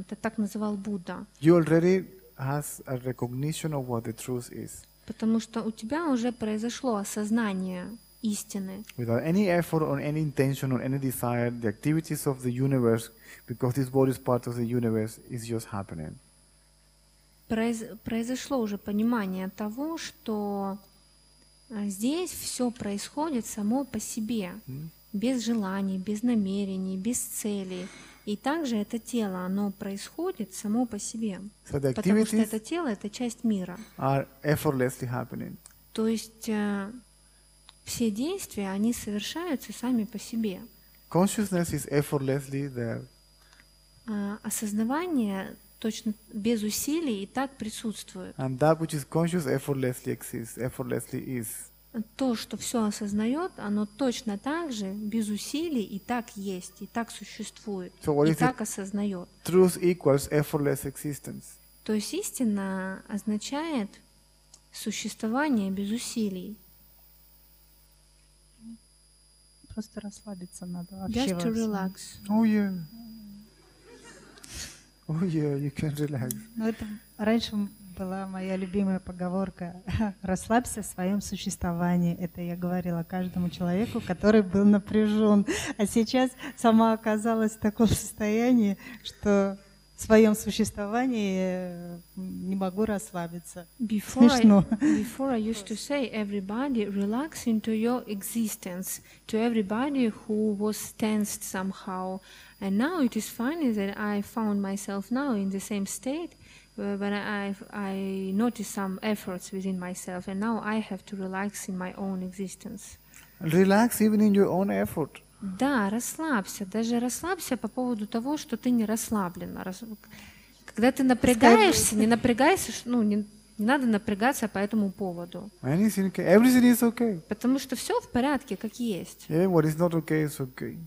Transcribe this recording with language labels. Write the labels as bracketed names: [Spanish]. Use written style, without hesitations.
[Russian] Это так называл Будда. [English] You already has a recognition of what the truth is. [Russian] Потому что у тебя уже произошло осознание. Истины. [English] Without any effort or any intention or any desire, the activities of the universe, because this body is part of the universe, is just happening. [Russian] Произошло уже понимание того, что здесь все происходит само по себе, без желаний, без намерений, без целей. И также это тело, оно происходит само по себе, потому что это тело — это часть мира. [English] Are effortlessly happening. [Russian] То есть все действия, они совершаются сами по себе. [English] Consciousness is effortlessly there. [Russian] Осознавание точно без усилий и так присутствует. [English] And that which is conscious effortlessly exists, effortlessly is. [Russian] То, что все осознает, оно точно так же без усилий и так есть, и так существует, [English] so what [Russian] и [English] is [Russian] так [English] it? [Russian] Осознает. [English] Truth equals effortless existence. [Russian] То есть истина означает существование без усилий. Просто расслабиться надо вообще. [English] Just to relax. Oh yeah. Oh yeah, you can relax. [Russian] Ну это раньше была моя любимая поговорка: расслабься в своем существовании. Это я говорила каждому человеку, который был напряжен. А сейчас сама оказалась в таком состоянии, что своем существовании не могу расслабиться. [English] Before [Russian] смешно. [English] Before I used to say everybody relax into your existence to everybody who was tensed somehow, and now it is funny that I found myself now in the same state. But I noticed some efforts within myself, and now I have to relax in my own existence. Relax even in your own effort. [Russian] Да, расслабься. Даже расслабься по поводу того, что ты не расслаблена. Когда ты напрягаешься, не напрягайся, ну, не надо напрягаться по этому поводу. [English] Anything, everything is okay. [Russian] Потому что все в порядке, как есть. [English] Yeah, what is not okay is okay.